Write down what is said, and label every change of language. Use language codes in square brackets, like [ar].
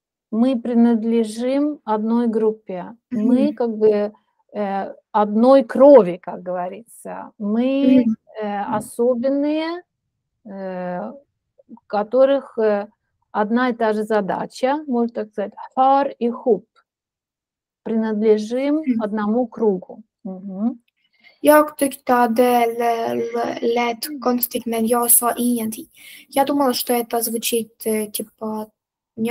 [ru] Мы принадлежим одной группе. Мы как бы одной крови, как говорится. Мы особенные, которых одна и та же задача, можно так сказать, хар и хуп, принадлежим одному кругу. [sv] Jag tyckte att det lät konstigt, men jag sa ingenting. Jag [ru] думала, что это звучит типа не